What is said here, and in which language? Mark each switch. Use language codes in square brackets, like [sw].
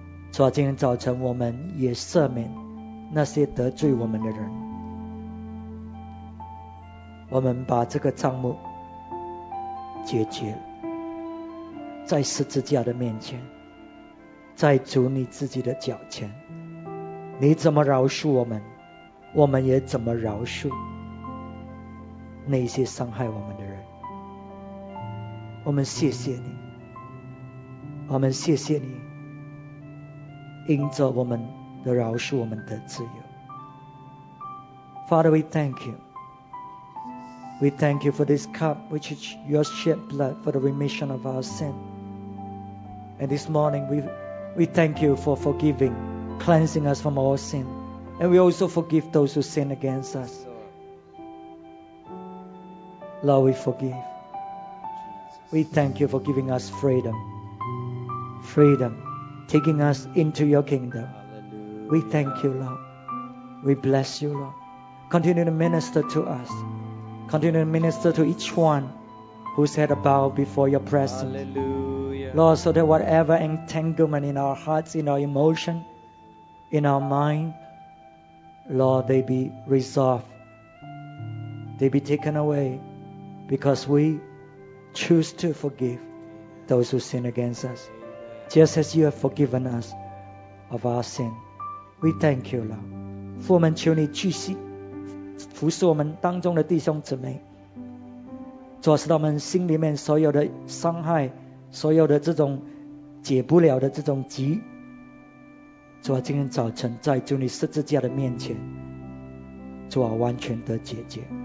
[zh] 主啊，今天早晨我们也赦免那些得罪我们的人，我们把这个账目解决在十字架的面前，在主你自己的脚前，你怎么饶恕我们，我们也怎么饶恕那些伤害我们的人。我们谢谢你，我们谢谢你，因着我们的饶恕，我们的自由。 [en] Father, we thank you. We thank you for this cup which is your shed blood for the remission of our sin. And this morning we thank you for forgiving, cleansing us from all sin. And we also forgive those who sin against us. Lord, we forgive. We thank you for giving us freedom. Freedom. Taking us into your kingdom. Hallelujah. We thank you, Lord. We bless you, Lord. Continue to minister to us. Continue to minister to each one who's had a bow before your presence. Hallelujah. Lord, so that whatever entanglement in our hearts, in our emotion, in our mind, Lord, they be resolved. They be taken away because we choose to forgive those who sin against us. Just as you have forgiven us of our sin. We thank you, Lord. [zh] 父，我们求你继续服侍我们当中的弟兄姊妹。主啊，使到我们心里面所有的伤害，所有的这种解不了的这种疾，主啊，今天早晨在主你十字架的面前，主啊，完全得解决。